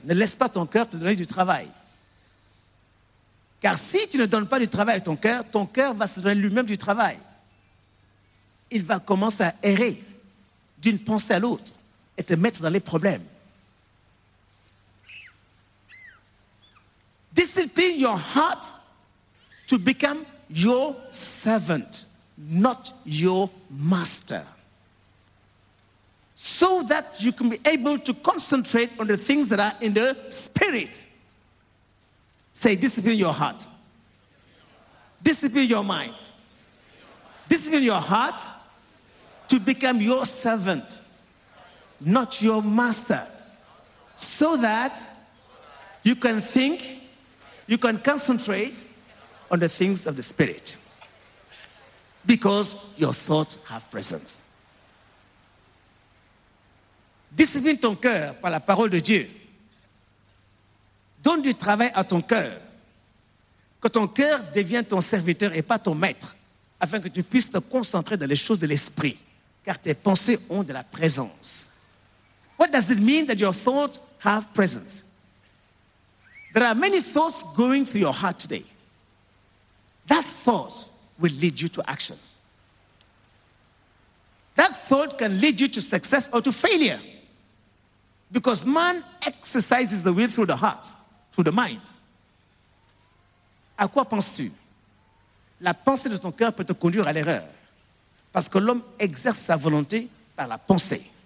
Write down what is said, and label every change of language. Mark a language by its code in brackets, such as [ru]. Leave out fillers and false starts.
[fr] Ne laisse pas ton cœur te donner du travail. Car si tu ne donnes pas du travail à ton cœur va se donner lui-même du travail. Il va commencer à errer d'une pensée à l'autre et te mettre dans les problèmes. [en] Discipline your heart to become your servant, not your master. So that you can be able to concentrate on the things that are in the spirit. Say, discipline your heart. Discipline your mind. Discipline your heart to become your servant, not your master. So that you can think, you can concentrate on the things of the spirit. Because your thoughts have presence. [fr] Discipline ton cœur par la parole de Dieu. Donne du travail à ton cœur. Que ton cœur devienne ton serviteur et pas ton maître, afin que tu puisses te concentrer dans les choses de l'esprit, car tes pensées ont de la présence. [en] What does it mean that your thoughts have presence? There are many thoughts going through your heart today. That thought will lead you to action. That thought can lead you to success or to failure. Because man exercises the will through the heart, through the mind. [fr] À quoi penses-tu? La pensée de ton cœur peut te conduire à l'erreur. Parce que l'homme exerce sa volonté par la pensée.